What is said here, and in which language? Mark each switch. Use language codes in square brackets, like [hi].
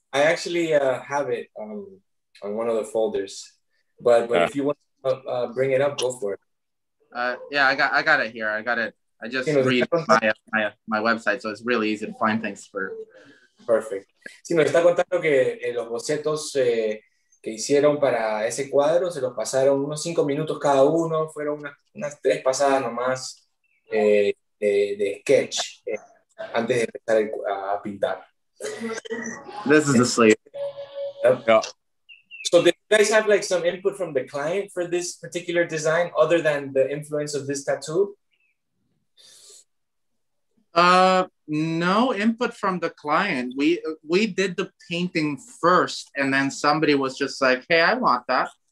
[en] I actually have it on one of the folders, but if you want to bring it up, go for it. Yeah, I got it here. I got it. I just, you know, read my website, so it's really easy to find things for. Perfect. [es] Sí, nos está contando que los bocetos. Que hicieron para ese cuadro, se los pasaron unos 5 minutos cada uno, fueron unas tres pasadas nomás de sketch antes de empezar a pintar. [en] This is the sleeve. Yeah. So did you guys have like some input from the client for this particular design other than the influence of this tattoo? No input from the client. We did the painting first, and then somebody was just like, hey, I want that.